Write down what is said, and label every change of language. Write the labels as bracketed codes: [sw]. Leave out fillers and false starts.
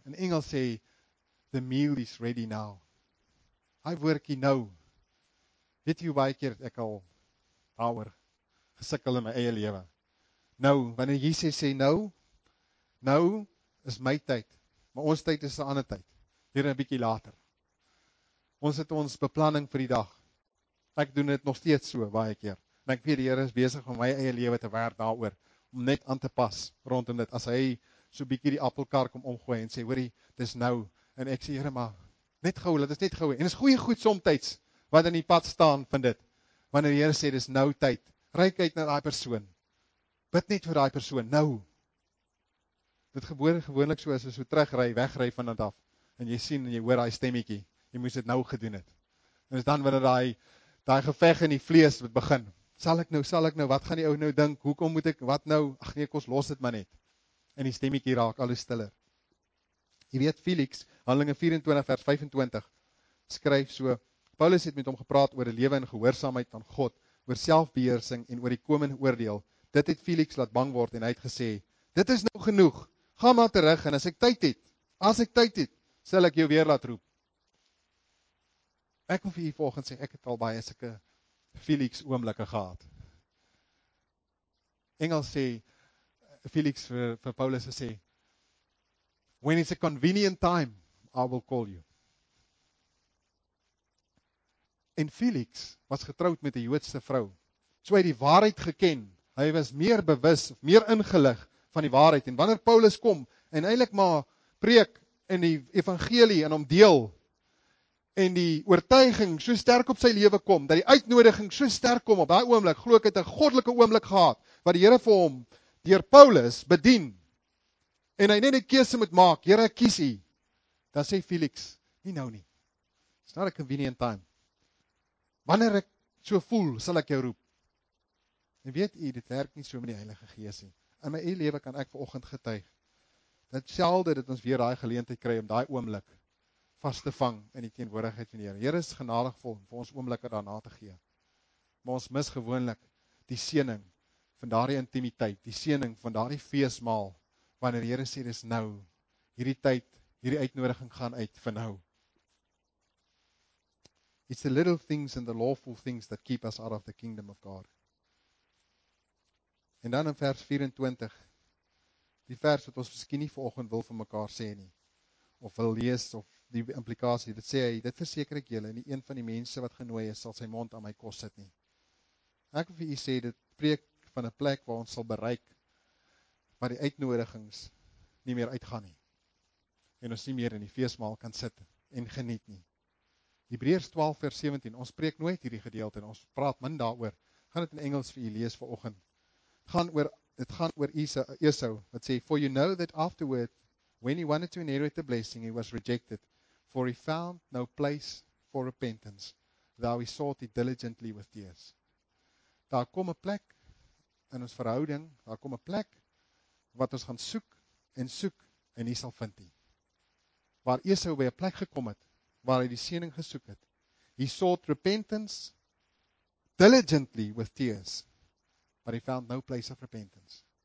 [af] In Engels sê hy, [en] the meal is ready now. [af] Hy woordjie nou. Weet jy hoe baie keer ek al daaroor gesukkel in my eie lewe. Nou, wanneer Jesus sê nou, nou is my tyd, maar ons tyd is 'n ander tyd. Weer 'n bietjie later. Ons het ons beplanning vir die dag. Ek doen dit nog steeds so baie keer. En ek weet die Here is besig om my eie lewe te werk daaroor. Om net aan te pas rondom dit. As hy so bietjie die appelkar kom omgooi en sê, hoorie, dis nou. En ek sê, Here, maar net gou, dit is net gou. En dis goeie goed somtyds wat in die pad staan van dit. Wanneer die Here sê, dis nou tyd. Ryk uit na daai persoon. Bid net vir daai persoon, nou. Dit gebeur gewoonlik so as jy so terugry, wegry van dit af. En jy sien en jy hoor daai stemmetjie. Jy moes dit nou gedoen het. En is dan wanneer daai geveg in die vlees moet begin. Sal ek nou, wat gaan die ou nou dink, hoekom moet ek, wat nou, ach nee, kos los dit maar net. En die stemmetjie raak al hoe stiller. Jy weet Felix, Handelinge 24 vers 25, skryf so, Paulus het met hom gepraat oor die lewe en gehoorsaamheid van God, oor selfbeheersing en oor die komende oordeel. Dit het Felix laat bang word en hy het gesê, dit is nou genoeg, ga maar terug en as ek tyd het, sal ek jou weer laat roep. Ek wil vir jy volgens sê, ek het al baie sulke Felix oomblikke gehad. Engels sê, Felix vir Paulus sê, [en] when it's a convenient time, I will call you. [af] En Felix was getroud met 'n Joodse vrou. So hy het die waarheid geken. Hy was meer bewus, meer ingelig van die waarheid. En wanneer Paulus kom, en eintlik maar preek in die evangelie en hom deel, en die oortuiging so sterk op sy lewe kom, dat die uitnodiging so sterk kom op daai oomblik, glo ek het 'n goddelike oomblik gehad, wat die Here vir hom, deur Paulus, bedien, en hy net 'n keuse moet maak, Here, ek kies u, dan sê Felix, nie nou nie, [en] it's not a convenient time, [af] wanneer ek so voel, sal ek jou roep, en weet u, dit werk nie so met die Heilige Gees nie, in my eie lewe kan ek vanoggend getuig, dat selde dat ons weer daai geleentheid kry, om daai oomblik, vas te vang in die teenwoordigheid van die Here. Here is genadig vir ons oomblikke daarna te gee. Maar ons mis gewoonlik die seëning van daardie intimiteit, die seëning van daardie feesmaal, wanneer die Here sê, dis nou, hierdie tyd, hierdie uitnodiging gaan uit vir nou. [en] It's the little things and the lawful things that keep us out of the kingdom of God. [af] En dan in vers 24, die vers wat ons miskien nie vanoggend wil vir mekaar sê nie, of wil lees, of die implikasie, dit sê hy, dit verseker ek julle, nie een van die mense wat genooi is, sal sy mond aan my kos sit nie. Ek wil vir u sê, dit preek van 'n plek waar ons sal bereik, waar die uitnodigings nie meer uitgaan nie, en ons nie meer in die feestmaal kan sit en geniet nie. Hebreërs 12 vers 17, ons preek nooit hierdie gedeelte, en ons praat min daaroor, gaan dit in Engels vir u lees vanoggend. Dit gaan oor Esau, wat sê, [en] for you know that afterward, when he wanted to inherit the blessing, he was rejected, for he found no place for repentance, though he sought it diligently with tears. [af] Daar kom 'n plek in ons verhouding, daar kom 'n plek wat ons gaan soek en soek en nie sal vind nie. Waar Esau by 'n plek gekom het, waar hy die seëning gesoek het, [en] he sought repentance diligently with tears, but he found no place of repentance.